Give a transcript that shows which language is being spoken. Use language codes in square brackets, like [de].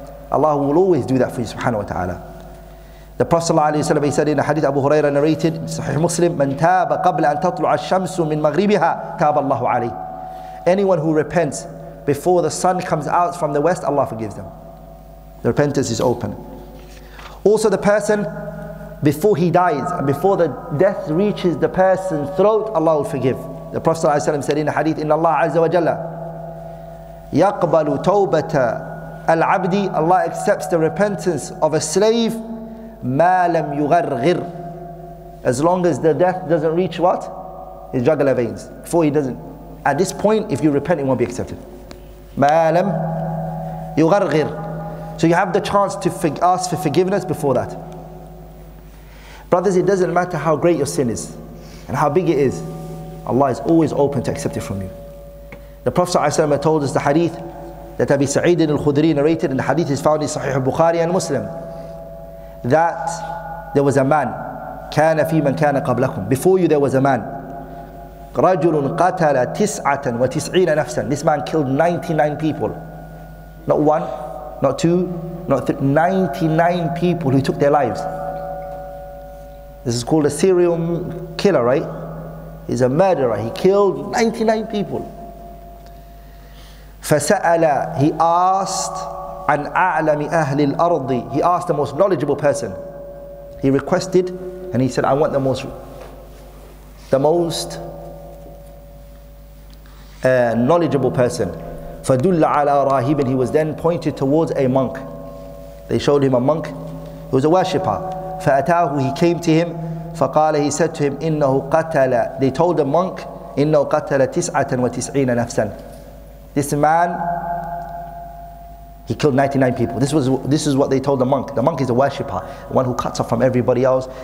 [en] Allah will always do that for you, subhanahu wa ta'ala. The Prophet sallallahu alayhi wa sallam, he said in a hadith Abu Hurairah narrated, Sahih Muslim, [ar] من تاب قبل أن تطلع الشمس من مغربها تاب الله عليه. [en] Anyone who repents before the sun comes out from the west, Allah forgives them. The repentance is open. Also, the person, before he dies, and before the death reaches the person's throat, Allah will forgive. The Prophet ﷺ said in a hadith, [ar] إِنَّ اللَّهَ عَزَّ وَجَلَّ يَقْبَلُ تَوْبَةَ الْعَبْدِ. [en] Allah accepts the repentance of a slave, [ar] مَا لَمْ يُغَرْغِرْ. [en] As long as the death doesn't reach what? His jugular veins. Before he doesn't. At this point, if you repent, it won't be accepted. [ar] مَا لَمْ يُغَرْغِرْ. [en] So you have the chance to ask for forgiveness before that. Brothers, it doesn't matter how great your sin is and how big it is. Allah is always open to accept it from you. The Prophet ﷺ told us the hadith that Abi Sa'id al-Khudri narrated, and the hadith is found in Sahih al-Bukhari and Muslim, that there was a man, [ar] كان في من كان قبلكم, [en] before you there was a man, [ar] رجل قتل تسعة وتسعين نفسا. [en] This man killed 99 people. Not one, not two, not three, 99 people who took their lives. This is called a serial killer, right? He's a murderer. He killed 99 people. [ar] فَسَأَلَ, [en] he asked, [ar] عَنْ أَعْلَمِ أَهْلِ الْأَرْضِ. [en] He asked the most knowledgeable person. He requested, and he said, I want the most knowledgeable person. [ar] فَدُلَّ عَلَىٰ رَاهِبٍ. [en] He was then pointed towards a monk. They showed him a monk. He was a worshipper. [ar] فَأَتَاهُ, [en] he came to him. [ar] فَقَالَ, [en] he said to him, [ar] إِنَّهُ قَتَلَ. [en] They told the monk, [ar] إِنَّهُ قَتَلَ تِسْعَةً وَتِسْعِينَ نَفْسًا. [en] This man, he killed 99 people. This is what they told the monk. The monk is a worshipper, one who cuts off from everybody else.